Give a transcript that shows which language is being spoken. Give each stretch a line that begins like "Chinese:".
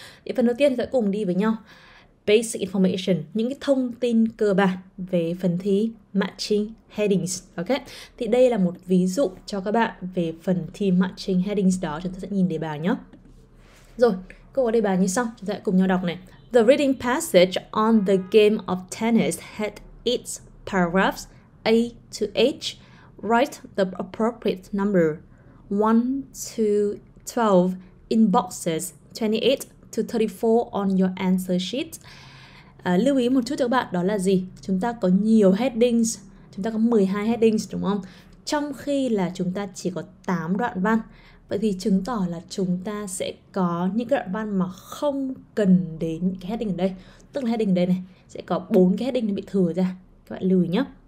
Vietnamese: Thì phần đầu tiên thì sẽ cùng đi với nhau.
English: Basic information,
Vietnamese: những cái thông tin cơ bản về phần thi matching headings. Ok, thì đây là một ví dụ cho các bạn về phần thi matching headings đó, chúng ta sẽ nhìn đề bài nhé. Rồi, câu có đề bài như sau, chúng ta sẽ cùng nhau đọc này.
English: The reading passage on the game of tennis had its paragraphs A to H, write the appropriate number 1 to 12 in boxes 28 to 34 on your answer sheet.
Vietnamese: Lưu ý một chút cho các bạn đó là gì? Chúng ta có nhiều headings, chúng ta có 12 headings đúng không? Trong khi là chúng ta chỉ có 8 đoạn văn. Vậy thì chứng tỏ là chúng ta sẽ có những cái đoạn văn mà không cần đến những cái heading ở đây. Tức là heading ở đây này sẽ có 4 cái heading nó bị thừa ra. Các bạn lưu ý nhé.